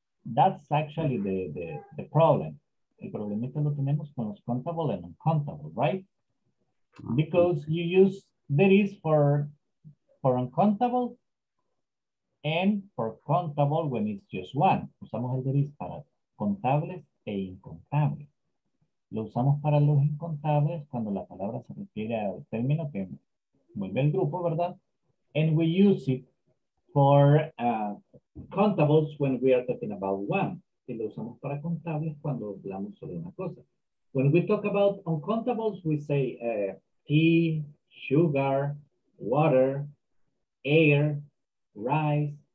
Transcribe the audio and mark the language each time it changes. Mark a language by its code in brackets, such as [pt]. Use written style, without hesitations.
[en] That's actually the problem. [es] El problemita lo tenemos con los [en] countable and uncountable, right? Because you use there is for uncountable and for countable when it's just one. [es] Usamos el there is para contables e incontables. Lo usamos para los incontables cuando la palabra se refiere al término que vuelve el grupo, ¿verdad? [en] And we use it for countables when we are talking about one. [es] Y lo usamos para contables cuando hablamos sobre una cosa. [en] When we talk about uncountables, we say tea, sugar, water, air, rice.